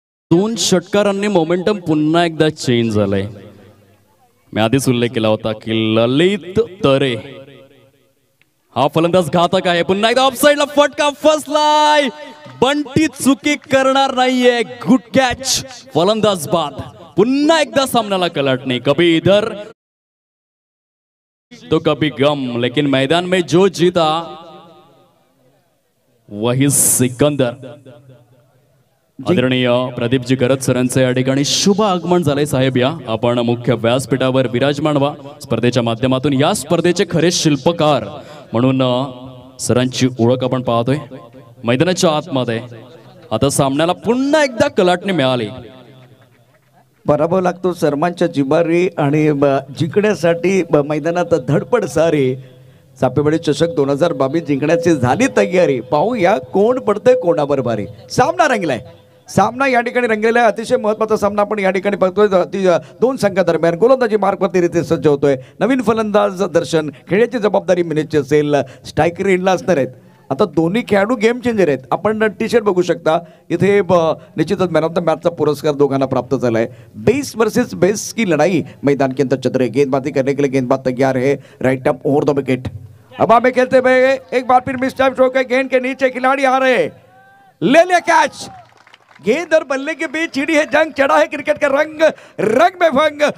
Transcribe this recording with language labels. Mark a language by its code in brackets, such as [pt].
[mr] दोन षटकारांनी मोमेंटम पुन्हा एकदा चेंज झालंय. मी आधीच उल्लेख केला होता की ललित तरे हा फलंदाज घातक आहे. पुन्हा एकदा ऑफसाइडला फटका फसलाय. बंटी चुकी करणार नाहीये. गुड कॅच फलंदाज बाद पुन्हा एकदा सामन्याला कलटणे. [hi] कभी इधर तो कभी गम लेकिन मैदान में जो जीता वही सिकंदर. [mr] आदरणीय प्रदीप जी गरज सरांचे या ठिकाणी शुभ आगमन झाले साहेब. या आपण मुख्य व्यासपीठावर विराजमान व्हा. स्पर्धेच्या माध्यमातून या स्पर्धेचे खरे शिल्पकार म्हणून सरांची ओळख आपण पाहतोय मैदानाच्या आतमध्ये. आता सामन्याला पुन्हा एकदा कलाटणी मिळाली. पराभव लागतो सर्वांच्या जिबारी आणि जिंकण्यासाठी मैदानात धडपड सारी. सापेवाडी चषक 2022 जिंकण्याची झाली तयारी. पाहूया कोण पडतंय कोणावर भारी. सामना रंगलाय. सामना या ठिकाणी रंगलेला आहे. अतिशय महत्वाचा सामना आपण या ठिकाणी बघतोय. दोन संघादरम्यान गोलंदाजी मार्गवरती रीते सज्ज होतोय. नवीन फलंदाज दर्शन खेळण्याची जबाबदारी मिनेची असेल. स्ट्राइकर इंडला असणार आहेत. आता दोन्ही खेळाडू गेम चेंजर आहेत. आपण टी शर्ट बघू शकता. इथे निश्चितच मॅन ऑफ द मॅचचा पुरस्कार दोघांना प्राप्त झालाय. [hi] बेस वर्सेस बेस की लढाई मैदान के अंदर चल रही. गेंदबाजी करने के लिए गेंदबाज तैयार है. Right up over the wicket. अब आप खेलते हुए एक बार फिर मिस टाइम स्ट्रोक है. गेंद के नीचे खिलाड़ी आ रहे. ले लिया कैच. गेंद और बल्ले के बीच छिड़ी है जंग. चढ़ा है क्रिकेट का रंग. रंग में भंग.